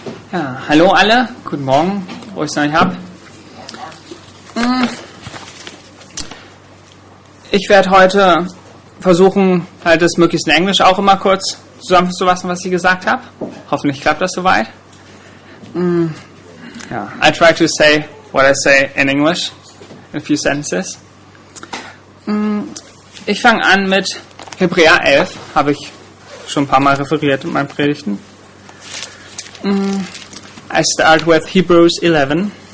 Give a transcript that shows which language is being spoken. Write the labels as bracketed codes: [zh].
[de] Ja, hallo alle, guten Morgen, wo ich es euch habe. Ich werde heute versuchen, halt das möglichst in Englisch auch immer kurz zusammenzufassen, was ich gesagt habe. Hoffentlich klappt das soweit. [en] Ja, I try to say what I say in English in a few sentences. [de] Ich fange an mit Hebräer 11, habe ich schon ein paar Mal referiert in meinen Predigten. [en] I start with Hebrews 11.